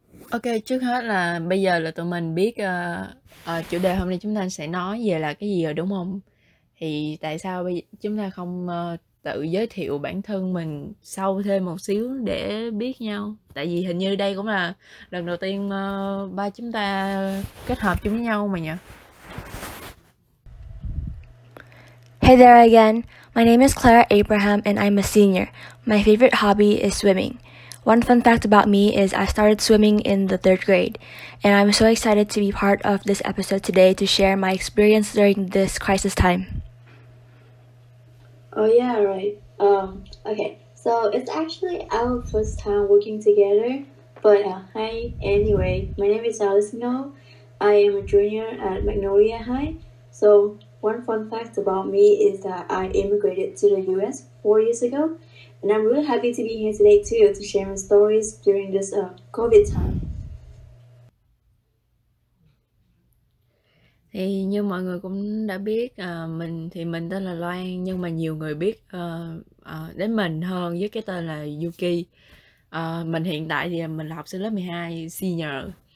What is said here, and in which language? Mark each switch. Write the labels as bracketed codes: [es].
[vi] Ok, trước hết là bây giờ là tụi mình biết chủ đề hôm nay chúng ta sẽ nói về là cái gì rồi đúng không? Thì tại sao bây giờ chúng ta không tự giới thiệu bản thân mình sâu thêm một xíu để biết nhau. Tại vì hình như đây cũng là lần đầu tiên ba chúng ta kết hợp chung với nhau mà nhỉ. [en] Hey there again. My name is Clara Abraham and I'm a senior. My favorite hobby is swimming. One fun fact about me is I started swimming in the third grade. And I'm so excited to be part of this episode today to share my experience during this crisis time. Oh yeah, right. Okay, so it's actually our first time working together, but hi, anyway, my name is Alice Ngo. I am a junior at Magnolia High. So one fun fact about me is that I immigrated to the US 4 years ago, and I'm really happy to be here today too to share my stories during this COVID time. [vi] Thì như mọi người cũng đã biết, mình tên là Loan, nhưng mà nhiều người biết đến mình hơn với cái tên là Yuki. Mình hiện tại thì mình là học sinh lớp 12, senior.